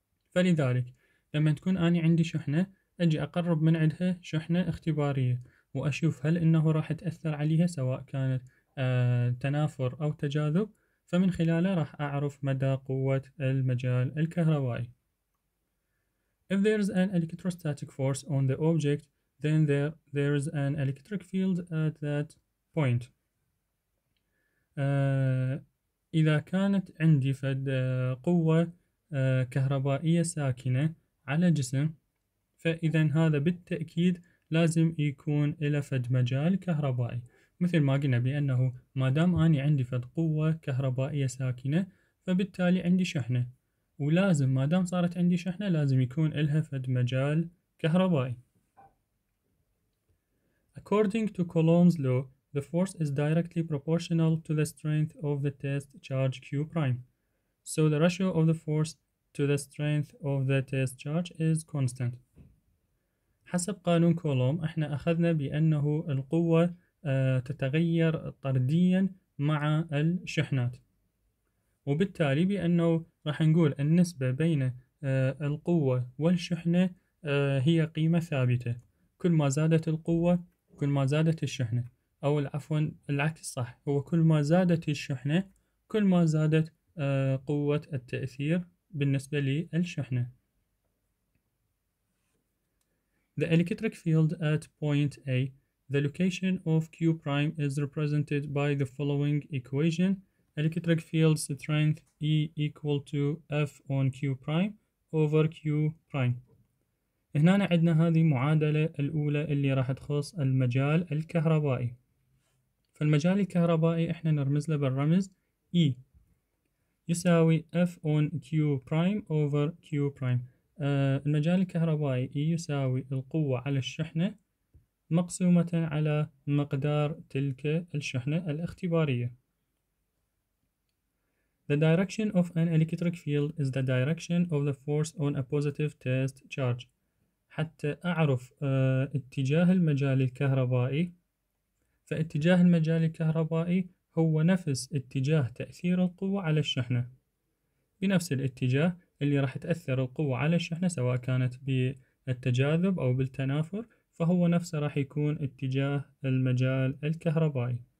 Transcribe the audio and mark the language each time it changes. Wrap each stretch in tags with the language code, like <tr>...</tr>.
<ar>فلذلك لما تكون أنا عندي شحنة, أجي أقرب من عندها شحنة اختبارية وأشوف هل إنه راح تأثر عليها, سواء كانت تنافر أو تجاذب, فمن خلاله راح أعرف مدى قوة المجال الكهربائي.</ar> <en>If there's an electrostatic force on the object, then there is an electric field at that point.</en> <ar>إذا كانت عندي فد قوة كهربائية ساكنة على جسم، فإذا هذا بالتأكيد لازم يكون إلى فد مجال كهربائي. مثل ما قلنا بأنه ما دام أني عندي فد قوة كهربائية ساكنة، فبالتالي عندي شحنة، ولازم ما دام صارت عندي شحنة لازم يكون إلها فد مجال كهربائي.</ar> <en>According to Coulomb's law, the force is directly proportional to the strength of the test charge Q prime. So the ratio of the force to the strength of the test charge is constant.</en> <ar>حسب قانون كولوم احنا اخذنا بانه القوة تتغير طرديا مع الشحنات، وبالتالي بانه راح نقول النسبة بين القوة والشحنة هي قيمة ثابتة، كل ما زادت القوة كل ما زادت الشحنة، او العفو العكس صح، هو كل ما زادت الشحنة كل ما زادت قوة التأثير بالنسبة للشحنة.</ar> <en>The electric field at point A, the location of Q prime is represented by the following equation. Electric field strength E equal to F on Q prime over Q prime.</en> <ar>هنا عندنا هذه المعادلة الأولى اللي راح تخص المجال الكهربائي. فالمجال الكهربائي احنا نرمز له بالرمز E يساوي</ar> <en>F on Q prime over Q prime.</en> <ar>المجال الكهربائي E يساوي القوة على الشحنة مقسومة على مقدار تلك الشحنة الاختبارية.</ar> <en>The direction of an electric field is the direction of the force on a positive test charge.</en> <ar>حتى أعرف اتجاه المجال الكهربائي، فاتجاه المجال الكهربائي هو نفس اتجاه تأثير القوة على الشحنة، بنفس الاتجاه اللي راح تأثر القوة على الشحنة سواء كانت بالتجاذب أو بالتنافر، فهو نفسه راح يكون اتجاه المجال الكهربائي.</ar>